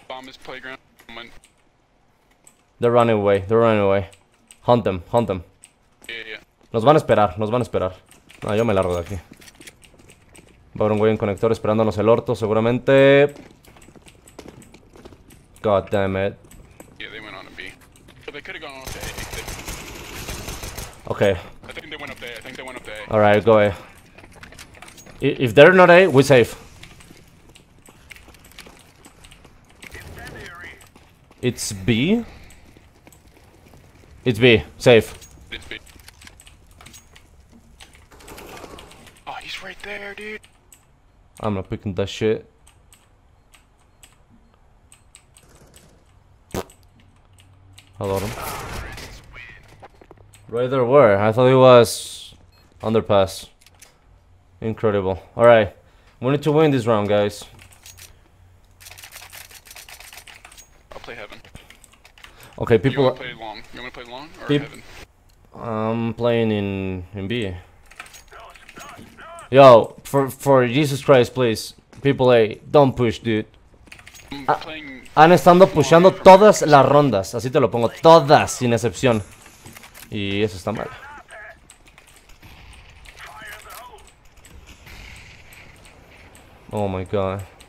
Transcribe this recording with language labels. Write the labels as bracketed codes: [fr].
[en] Bomb is playground. They're running away, they're running away. Hunt them, hunt them. Yeah. [es] Nos van a esperar, nos van a esperar. No, yo me largo de aquí. Va a haber un güey en conector esperándonos el orto, seguramente. [en] God damn it. Yeah, they went on a B. So they could have gone on a A. Okay. I think they went up there. Alright, go A. If they're not A, we're safe. It's B? It's B, safe. It's B. Oh, he's right there, dude. I'm not picking that shit. Hello. Right there were. I thought he was underpass. Incredible. Alright. We need to win this round, guys. I'll play heaven. Okay, people. You want to play long? You want to play long or heaven? I'm playing in B. Yo, for Jesus Christ, please, people, A, don't push, dude. [es] Han estado pusheando todas las rondas, así te lo pongo, todas sin excepción. Y eso está mal. [en] Oh my god.